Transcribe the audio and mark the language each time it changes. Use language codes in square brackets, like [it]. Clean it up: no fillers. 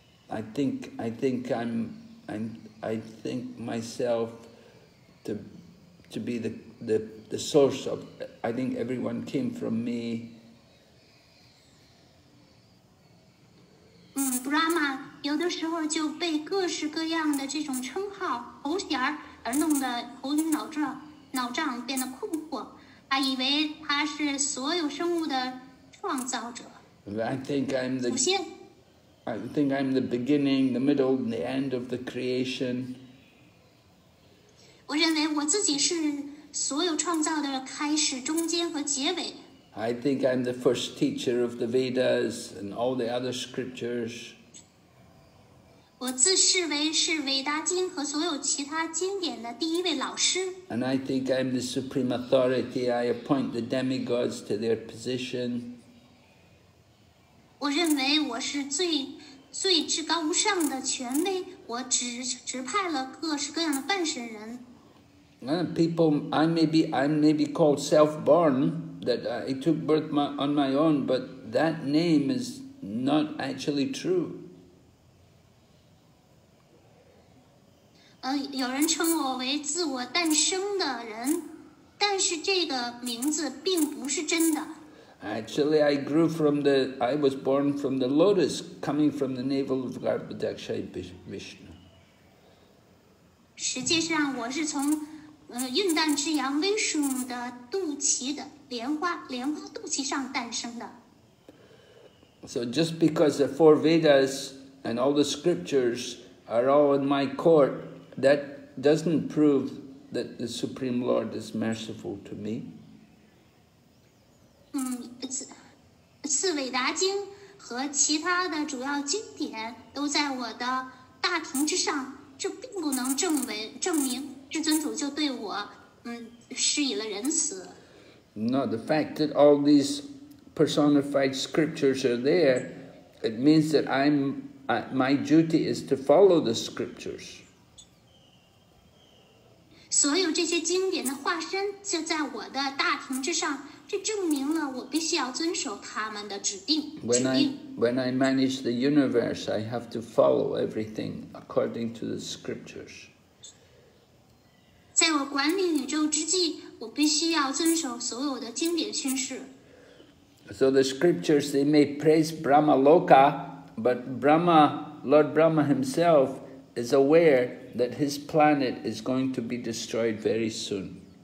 [en] I think myself to be the source of, I think everyone came from me. [zh] Brahma 有的时候就被各式各样的这种称号头衔而弄得头晕脑胀，变得困惑，他以为他是所有生物的创造者。 [en] I think I'm the beginning, the middle, and the end of the creation. [zh] 我认为我自己是所有创造的开始、中间和结尾。 [en] I think I'm the first teacher of the Vedas and all the other scriptures. [zh] 我自视为是《韦达经》和所有其他经典的第一位老师。 [en] And I think I'm the supreme authority. I appoint the demigods to their position. [zh] 我认为我是最至高无上的权威。我指派了各式各样的半神人。 [en] I may be called self-born, that I took birth on my own, but that name is not actually true. [zh] 有人称我为自我诞生的人，但是这个名字并不是真的。 [en] Actually, I was born from the lotus, coming from the navel of Garbhodaksha Vishnu. [zh] 实际上，我是从孕蛋之羊威树的肚脐的莲花肚脐上诞生的。 [en] So just because the four Vedas and all the scriptures are all in my court, that doesn't prove that the Supreme Lord is merciful to me. [zh] 四韦达经和其他的主要经典都在我的大庭之上，这并不能证明。至尊主就对我，施以了仁慈。 [en] No, the fact that all these personified scriptures are there, it means that my duty is to follow the scriptures. [zh] 所有这些经典的化身就在我的大庭之上，这证明了我必须要遵守他们的指定。 [en] When I manage the universe, I have to follow everything according to the scriptures. [zh] 在我管理宇宙之际，我必须要遵守所有的经典训示。 [en] So the scriptures, they may praise Brahma Loka, but Brahma, Lord Brahma himself, is aware that his planet is going to be destroyed very soon.